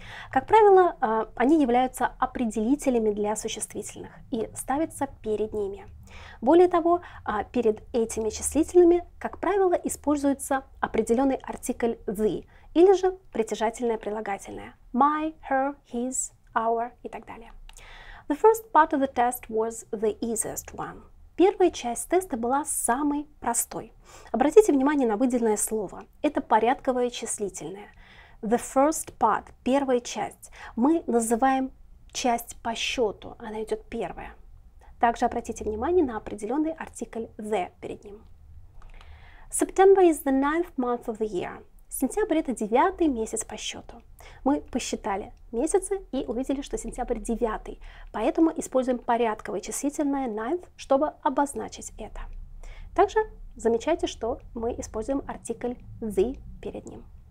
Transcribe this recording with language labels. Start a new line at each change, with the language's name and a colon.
Russian: Как правило, они являются определителями для существительных и ставятся перед ними. Более того, перед этими числительными, как правило, используется определенный артикль the или же притяжательное прилагательное my, her, his, our и так далее.
English: The first part of the test was the easiest one.
Russian: Первая часть теста была самой простой. Обратите внимание на выделенное слово. Это порядковое числительное.
English: The first part,
Russian: первая часть. Мы называем часть по счету, она идет первая. Также обратите внимание на определенный артикль the перед ним.
English: September is the ninth month of the year.
Russian: Сентябрь — это девятый месяц по счету. Мы посчитали месяцы и увидели, что сентябрь девятый. Поэтому используем порядковое числительное ninth, чтобы обозначить это. Также замечайте, что мы используем артикль the перед ним.